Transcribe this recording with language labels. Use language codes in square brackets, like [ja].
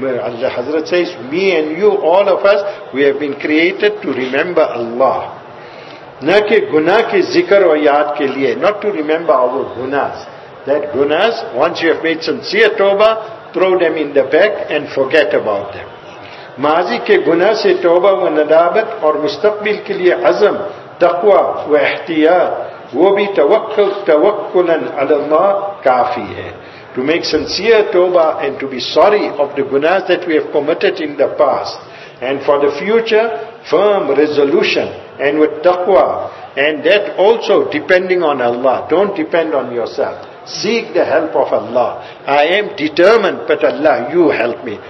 [en] Allah Hazrat says, me and you, all of us, we have been created to remember Allah. [ur] Na ke guna ke zikr wa yaad ke liye, [en] not to remember our gunas. That gunas, once you have made sincere tawbah, throw them in the back and forget about them. [ur] ماضی کے گناہ سے توبہ و ندابت اور مستقبل کے لیے عزم تقوی و احتیاط وہ بھی توکلن علی اللہ کافی ہے. [en] To make sincere tawbah and to be sorry of the gunas that we have committed in the past. And for the future, firm resolution and with taqwa. And that also depending on Allah. Don't depend on yourself. Seek the help of Allah. I am determined, but Allah, you help me.